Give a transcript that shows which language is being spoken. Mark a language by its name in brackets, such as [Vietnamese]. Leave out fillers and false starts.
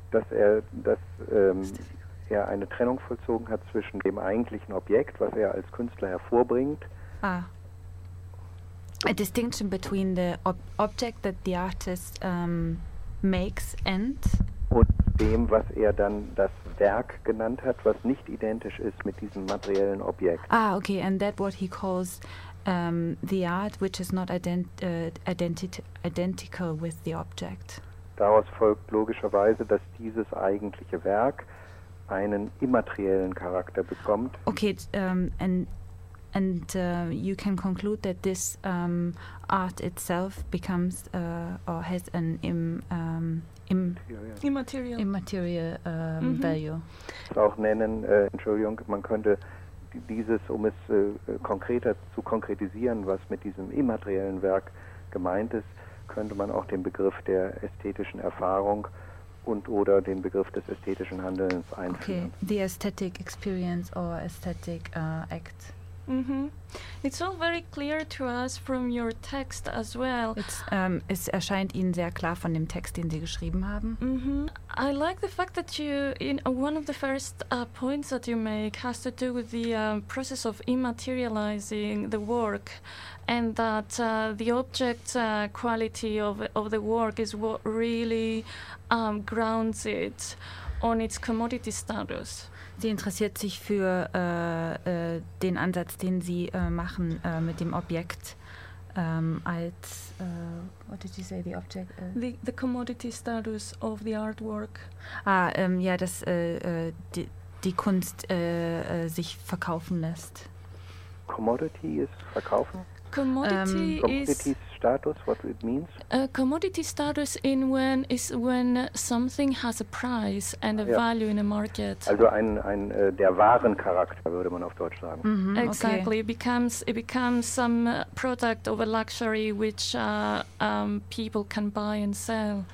[German] Dass er eine Trennung vollzogen hat zwischen dem eigentlichen Objekt, was er als Künstler hervorbringt. Ah. [English] A distinction between the object that the artist makes and... [German] Und dem, was er dann das Werk genannt hat, was nicht identisch ist mit diesem materiellen Objekt. [English] Ah, okay, and that what he calls the art, which is not identical with the object. [German] Daraus folgt logischerweise, dass dieses eigentliche Werk einen immateriellen Charakter bekommt. [English] Okay, and you can conclude that this art itself becomes or has an immaterial value. [German] Ich auch nennen, Entschuldigung, man könnte dieses, um es konkreter zu konkretisieren, was mit diesem immateriellen Werk gemeint ist, könnte man auch den Begriff der ästhetischen Erfahrung und oder den Begriff des ästhetischen Handelns einführen. [English] Okay, the aesthetic experience or aesthetic act. Mm-hmm. It's all very clear to us from your text as well. [German] Es erscheint Ihnen sehr klar von dem Text, den Sie geschrieben haben. Mm-hmm. [English] I like the fact that you, in one of the first points that you make, has to do with the process of immaterializing the work, and that the object quality of the work is what really grounds it on its commodity status. [German] Sie interessiert sich für den Ansatz, den Sie machen mit dem Objekt als [English] what did you say, the object? The commodity status of the artwork. [German] Ah, ja, dass die Kunst sich verkaufen lässt. Commodity ist verkaufen? [English] Commodity status in when is when something has a price and a value in a market. [German] Also ein der Warencharakter, würde man auf Deutsch sagen. Mm-hmm. [English] Exactly. Okay. It becomes some product of a luxury which people can buy and sell.